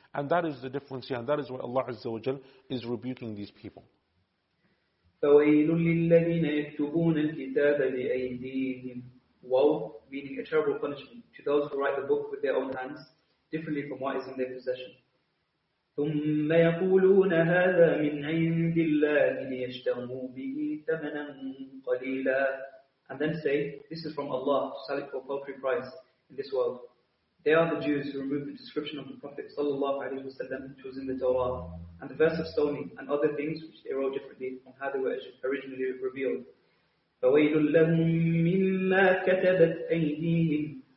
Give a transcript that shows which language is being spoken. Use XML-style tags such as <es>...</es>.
<en>And that is the difference here, and that is why Allah Azza wa Jal is rebuking these people.</en> <ar>فَوَيْلٌ لِلَّذِينَ يَكْتُبُونَ الْكِتَابَ بِأَيْدِيهِمْ</ar> <en>Waw, meaning a terrible punishment, to those who write the book with their own hands, differently from what is in their possession.</en> <ar>ثم يقولون هذا من عند الله ليشتروا به ثمنا قليلا.</ar> <en>And then say, this is from Allah to sell it for a paltry price in this world. They are the Jews who removed the description of the Prophet sallallahu alaihi wasallam, which was in the Torah, and the verse of stoning and other things which they wrote differently from how they were originally revealed.</en> <ar>فَوَيْلٌ لَهُمْ مِمَّا كَتَبَتْ أَيْدِيهِمْ.</ar>